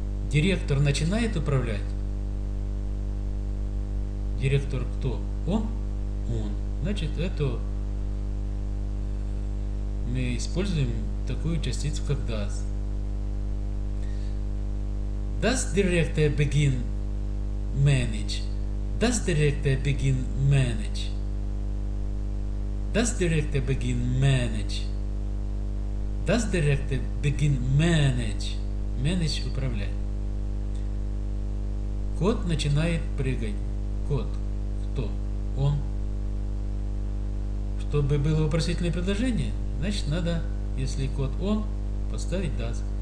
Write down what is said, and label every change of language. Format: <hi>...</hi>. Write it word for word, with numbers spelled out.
<ru>Директор начинает управлять? Директор кто? Он? Он. Значит, это мы используем такую частицу, как does.</ru> <en>Does director begin manage? Does director begin manage? Does director begin manage? Does director begin manage?</en> <ru>Manage — управлять. Кот начинает прыгать. Кот кто? Он. Чтобы было вопросительное предложение, значит надо, если кот он, поставить does.</ru>